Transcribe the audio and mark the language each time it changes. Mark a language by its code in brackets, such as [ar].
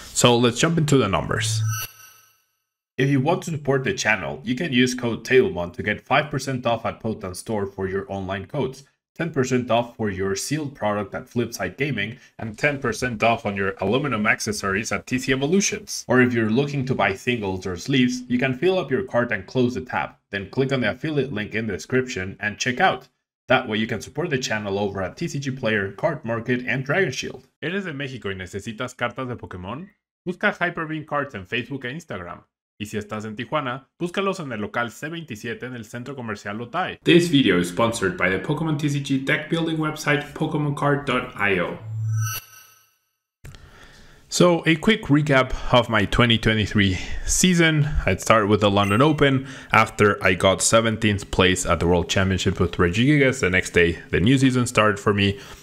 [en] So let's jump into the numbers. If you want to support the channel, you can use code Tablemon to get 5% off at Potan store for your online codes, 10% off for your sealed product at Flipside Gaming, and 10% off on your aluminum accessories at TC Evolutions. Or if you're looking to buy singles or sleeves, you can fill up your cart and close the tab, then click on the affiliate link in the description and check out. That way you can support the channel over at TCG Player, Card Market, and Dragon Shield. [es] ¿Eres de México y necesitas cartas de Pokémon? Busca Hyper Beam Cards en Facebook e Instagram. Y si estás en Tijuana, búscalos en el local C27 en el Centro Comercial Lotay. [en] This video is sponsored by the Pokemon TCG deck building website PokemonCard.io. So, a quick recap of my 2023 season. I'd start with the London Open. After I got 17th place at the World Championship with Regigigas, the next day the new season started for me.